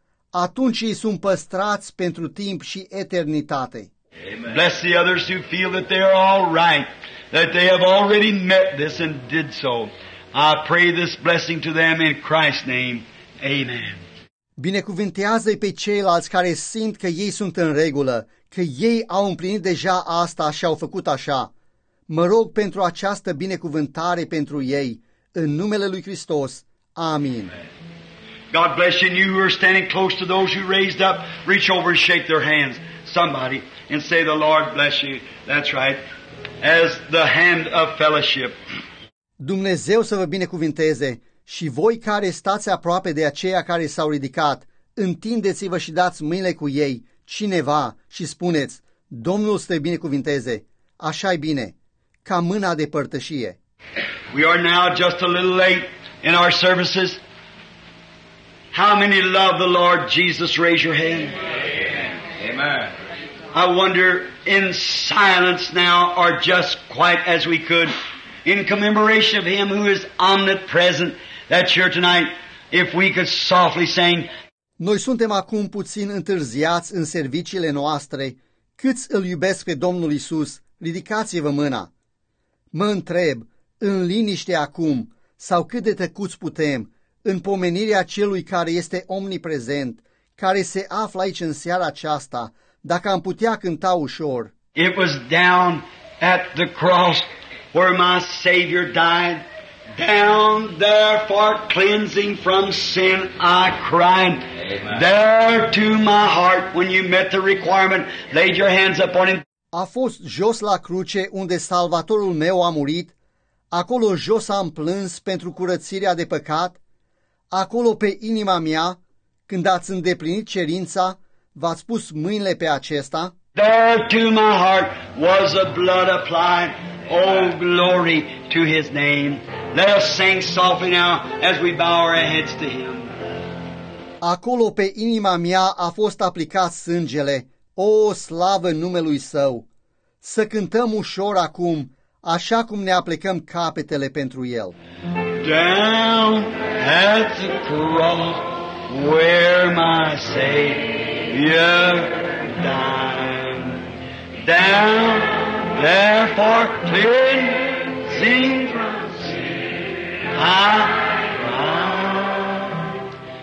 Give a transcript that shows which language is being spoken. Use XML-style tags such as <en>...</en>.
<ro>Atunci ei sunt păstrați pentru timp și eternitate. Amen.</ro> <en>Bless the others who feel that they are all right, that they have already met this and did so. I pray this blessing to them in Christ's name. Amen.</en> <ro>Binecuvântează-i pe ceilalți care simt că ei sunt în regulă, că ei au împlinit deja asta și au făcut așa. Mă rog pentru această binecuvântare pentru ei, în numele lui Hristos. Amin.</ro> <en>God bless you, and you who are standing close to those who raised up, reach over and shake their hands, somebody, and say, the Lord bless you. That's right. As the hand of fellowship.</en> <ro>Dumnezeu să vă binecuvinteze. Și voi care stați aproape de aceia care s-au ridicat, întindeți-vă și dați mâinile cu ei, cineva, și spuneți, Domnul să te binecuvinteze, așa e bine, ca mâna de părtășie.</ro> <en>We are now just a little late in our services. How many love the Lord Jesus? Raise your hand. Amen. I wonder, in silence now, or just quiet as we could, in commemoration of Him who is omnipresent, that's here tonight, if we could softly sing.</en> <ro>Noi suntem acum puțin întârziați în serviciile noastre. Câți îl iubesc pe Domnul Iisus, ridicați-vă mâna. Mă întreb, în liniște acum, sau cât de tăcuți putem, în pomenirea celui care este omniprezent, care se află aici în seara aceasta, dacă am putea cânta ușor.</ro> <en>It was down at the cross where my Savior died. Down there for cleansing from sin I cried. Amen. There to my heart when you met the requirement, laid your hands upon him.</en> <ro>A fost jos la cruce unde Salvatorul meu a murit. Acolo jos am plâns pentru curățirea de păcat. Acolo pe inima mea, când ați îndeplinit cerința, v-ați pus mâinile pe acesta.</ro> <en>There to my heart was the blood applied. Oh, glory to His name. Let us sing softly now as we bow our heads to Him.</en> <ro>Acolo pe inima mea a fost aplicat sângele. O, slavă numelui Său! Să cântăm ușor acum, așa cum ne aplicăm capetele pentru El.</ro> <en>Down at the cross where my Savior died. Down there for cleansing from sin I cried.</en>